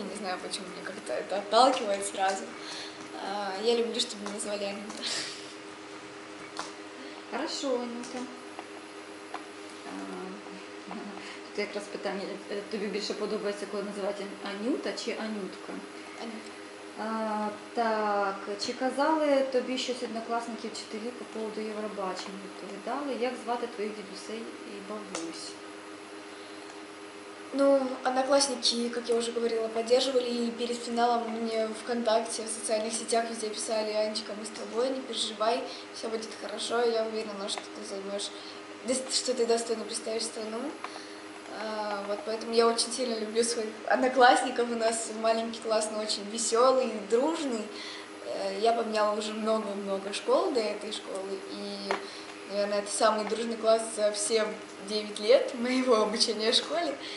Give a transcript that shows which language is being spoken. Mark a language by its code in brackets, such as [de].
[ru] Не знаю, почему мне как-то это отталкивает сразу. Я люблю, чтобы меня называли Анюта. Хорошо, Анюта. Тут как раз питание. Тебе больше подобается, когда называть Анюта чи Анютка? Анютка. [uk] Так, чи казали тобі щось однокласники, вчителі [ru] по поводу [uk] Євробачення? Відповідали, як звати твоїх дідусей і бабусь? Ну, однокласники, як я вже говорила, підтримували, і перед фіналом мені ВКонтакте, в соціальних [ru] сетях везде [uk] писали: «Анечка, ми з тобою, не переживай, все буде [ru] хорошо, я уверена, [uk] що ти займеш, що ти достойно представиш страну». [ru] Вот поэтому я очень сильно люблю своих одноклассников, у нас маленький класс, но очень веселый, дружный. Я поменяла уже много-много школ до этой школы, и, наверное, это самый дружный класс за все 9 лет моего обучения в школе.